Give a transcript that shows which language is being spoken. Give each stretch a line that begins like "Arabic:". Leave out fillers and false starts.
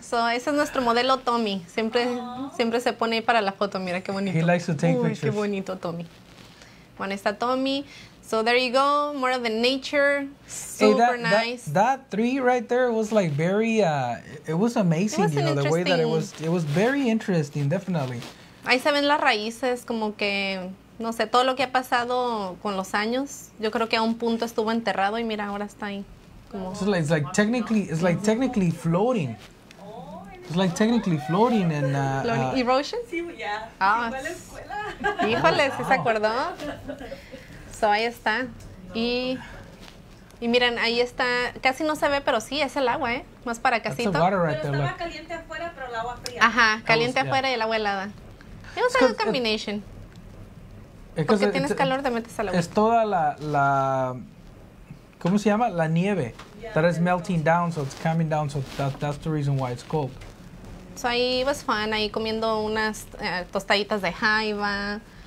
Spanish: So ese es nuestro modelo Tommy. Siempre se pone ahí para la foto. Mira qué bonito.
English: He likes to take pictures.
Spanish: Qué bonito Tommy. Bueno, está Tommy.
English: So there you go, more of the nature, super nice. That tree right there was like very, it was amazing, the way that it was very interesting, definitely.
Spanish: Ahí se ven las raíces, como que, no sé, todo lo que ha pasado con los años, yo creo que a un punto estuvo enterrado y mira, ahora está ahí.
English: It's like technically floating. It's like technically floating and... Erosion?
Spanish: Sí, yeah. Ah. Híjole, ¿sí se acordó? So, ahí está. Y miren, ahí está. Casi no se ve, pero sí, es el agua, ¿eh? Más para casito.
English: That's the water right
Spanish: pero
English: there,
Spanish: estaba
English: look.
Spanish: Caliente afuera, pero el agua fría. Ajá, caliente afuera y el agua helada. Es una buena combinación. Porque tienes calor, te metes al agua. Es toda la... ¿Cómo se llama? La nieve.
English: Yeah, that is melting down, so it's coming down, so that's the reason why it's cold.
Spanish: So, ahí
English: was fun,
Spanish: ahí comiendo unas tostaditas de jaiba.